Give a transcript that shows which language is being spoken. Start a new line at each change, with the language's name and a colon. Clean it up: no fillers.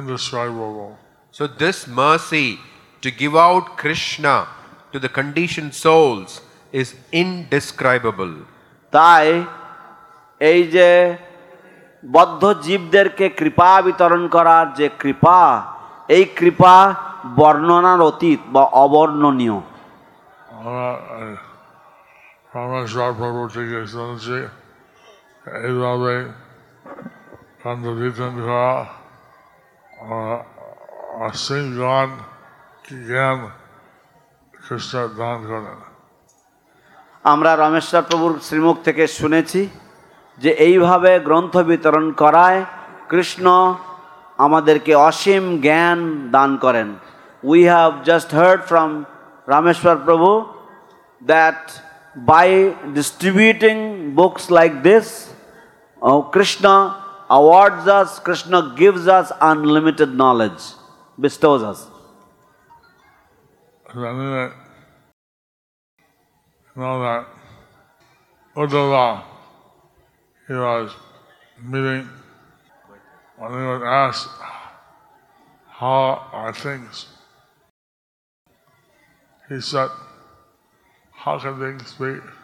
English: So this mercy to give out Krishna to the conditioned souls is indescribable
Bangla: tai ei je baddho jibder ke kripa bitoron korar je kripa ei kripa barnanar otit ba abarnaniyo আমরা রামেশ্বর প্রভুর শ্রীমুখ থেকে শুনেছি যে এইভাবে গ্রন্থ বিতরণ করায় কৃষ্ণ আমাদেরকে অসীম জ্ঞান দান করেন
English: We have just heard from Rameshwar Prabhu that by distributing books like this Krishna awards us Krishna gives us unlimited knowledge bestows us Now that Uddhava, he was meeting, when he was asked, how are things? He said, how can things be?